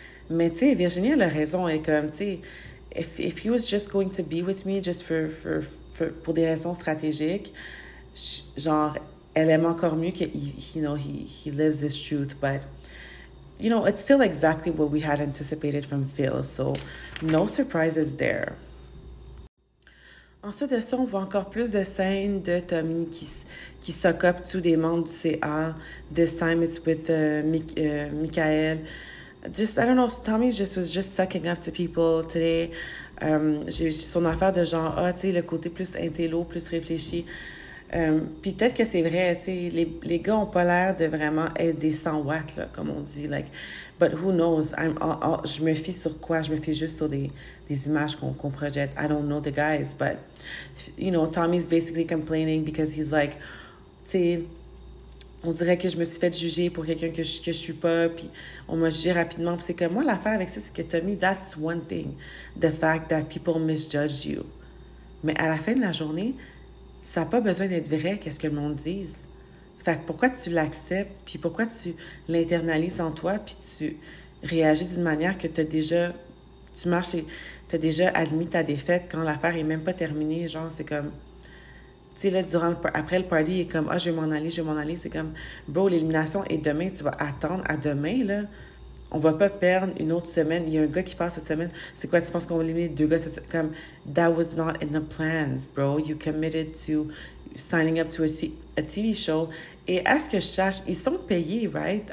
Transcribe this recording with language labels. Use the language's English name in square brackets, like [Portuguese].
[French] Mais tu sais, Virginie a la raison. Et comme, tu sais, [English] if he was just going to be with me just [French] pour des raisons stratégiques, genre, elle aime encore mieux que, [English] he lives his truth. But, it's still exactly what we had anticipated from Phil. So, no surprises there. [French] Ensuite de ça, on voit encore plus de scènes de Tommy qui s'occupe tous des membres du CA. [English] This time, it's with Michael. Just, I don't know, Tommy just was just sucking up to people today. [French] J'ai son affaire de genre, ah, tu sais, le côté plus intello, plus réfléchi. Puis peut-être que c'est vrai, tu sais, les gars n'ont pas l'air de vraiment être des 100 watts, là, comme on dit. [English] Like, but who knows? [French] Je me fie sur quoi? Je me fie juste sur des images qu'on projette. [English] I don't know the guys, but, Tommy's basically complaining because he's like, [French] tu sais, On dirait que je me suis fait juger pour quelqu'un que je suis pas, puis on m'a jugé rapidement. Puis c'est comme moi, l'affaire avec ça, c'est que Tommy, [English] that's one thing, the fact that people misjudge you. [French] Mais à la fin de la journée, ça n'a pas besoin d'être vrai, qu'est-ce que le monde dise. Fait que pourquoi tu l'acceptes, puis pourquoi tu l'internalises en toi, puis tu réagis d'une manière que tu as déjà, tu marches et tu as déjà admis ta défaite quand l'affaire est même pas terminée, genre c'est comme... Tu sais, là, durant le, après le party, il est comme, ah, je vais m'en aller. C'est comme, bro, l'élimination est demain, tu vas attendre à demain, là. On va pas perdre une autre semaine. Il y a un gars qui passe cette semaine. C'est quoi, tu penses qu'on va éliminer deux gars cette semaine? [English] Comme, that was not in the plans, bro. You committed to signing up to a TV show. [French] Et à ce que je sache, ils sont payés, right?